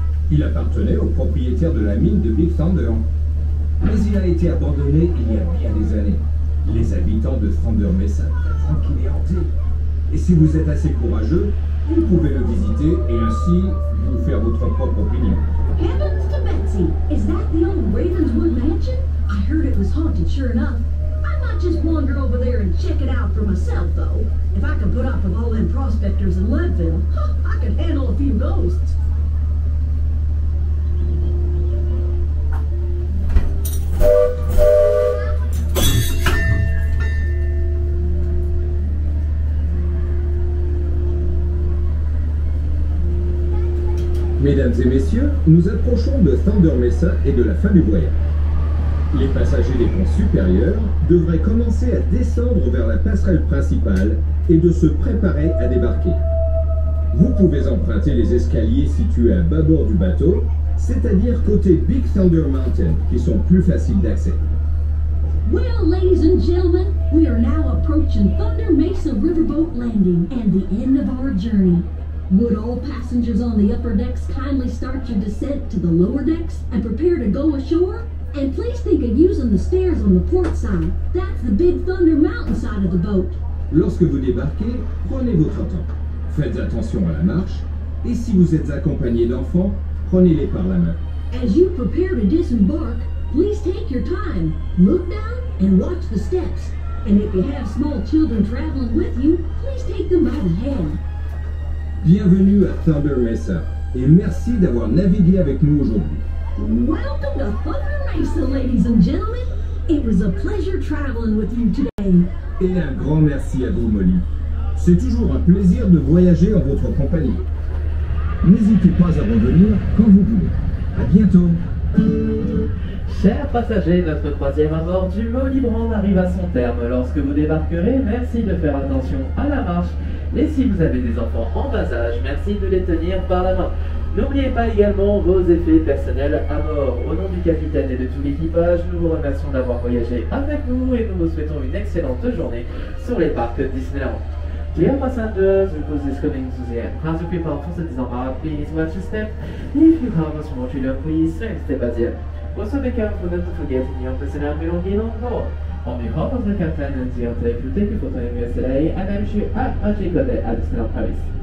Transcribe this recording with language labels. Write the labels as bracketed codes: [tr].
[fr] Il appartenait au propriétaire de la mine de Big Thunder. Mais il a été abandonné il y a bien des années. Les habitants de Thunder Mesa prétendent qu'il est hanté. Et si vous êtes assez courageux, vous pouvez le visiter et ainsi vous faire votre propre opinion. [en] Heavens to Betsy, is that the old Ravenswood mansion? I heard it was haunted, sure enough. Just wander over there and check it out for myself, though. If I could put up with all them prospectors in Leadville, I could handle a few ghosts. [fr] Mesdames et messieurs, nous approchons de Thunder Mesa et de la fin du voyage. Les passagers des ponts supérieurs devraient commencer à descendre vers la passerelle principale et de se préparer à débarquer. Vous pouvez emprunter les escaliers situés à bâbord du bateau, c'est-à-dire côté Big Thunder Mountain, qui sont plus faciles d'accès. [en] Well, ladies and gentlemen, we are now approaching Thunder Mesa Riverboat Landing and the end of our journey. Would all passengers on the upper decks kindly start your descent to the lower decks and prepare to go ashore? And please think of using the stairs on the port side. That's the Big Thunder Mountain side of the boat. [fr] Lorsque vous débarquez, prenez votre temps. Faites attention à la marche. Et si vous êtes accompagné d'enfants, prenez-les par la main. [en] As you prepare to disembark, please take your time. Look down and watch the steps. And if you have small children traveling with you, please take them by the hand. [fr] Bienvenue à Thunder Mesa. Et merci d'avoir navigué avec nous aujourd'hui. [en] Welcome to Thunder Mesa, ladies and gentlemen. It was a pleasure traveling with you today. [fr] Et un grand merci à vous, Molly. C'est toujours un plaisir de voyager en votre compagnie. N'hésitez pas à revenir quand vous voulez. À bientôt. Chers passagers, notre croisière à bord du Molly Brand arrive à son terme. Lorsque vous débarquerez, merci de faire attention à la marche. Et si vous avez des enfants en bas âge, merci de les tenir par la main. N'oubliez pas également vos effets personnels à bord. Au nom du capitaine et de tout l'équipage, nous vous remercions d'avoir voyagé avec nous et nous vous souhaitons une excellente journée sur les parcs Disneyland. [en] Dear passengers, the bus is coming to the end. As you prepare for the disembark, please watch your step. If you have a small children, please save step at the end. Also be careful not to forget your personal belongings on board. On behalf of the captain and the entire crew, thank you for joining us today and I wish you a magical day at Disneyland Paris.